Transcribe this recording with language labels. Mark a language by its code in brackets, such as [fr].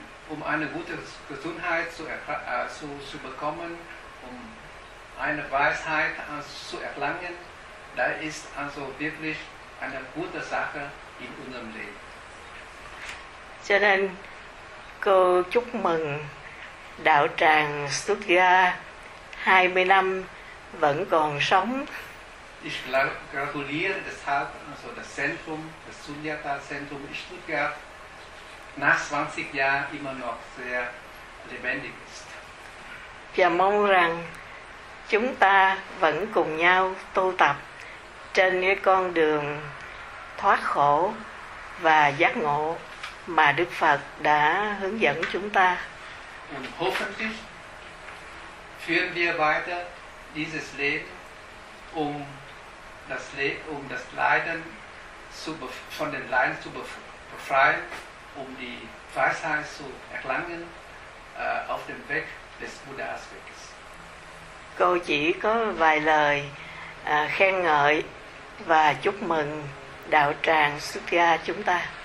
[de] um eine gute Gesundheit zu, zu bekommen, um eine Weisheit zu erlangen, da ist also wirklich eine gute Sache in unserem Leben. [vi] Cho nên cô chúc mừng đạo tràng xuất gia 20 năm vẫn còn sống. [de] Ich gratuliere deshalb also das Zentrum, das Sunyata Zentrum in Stuttgart nach 20 Jahren immer noch sehr lebendig ist. [vi] Và mong rằng chúng ta vẫn cùng nhau tu tập trên cái con đường thoát khổ và giác ngộ mà Đức Phật đã hướng dẫn chúng ta. [de] Und hoffentlich führen wir weiter dieses Leben, um das Leiden zu von den Leiden zu befreien, um die Weisheit zu erlangen auf dem Weg des Buddhas Weges. [vi] Cô chỉ có vài lời khen ngợi và chúc mừng đạo tràng xuất gia chúng ta.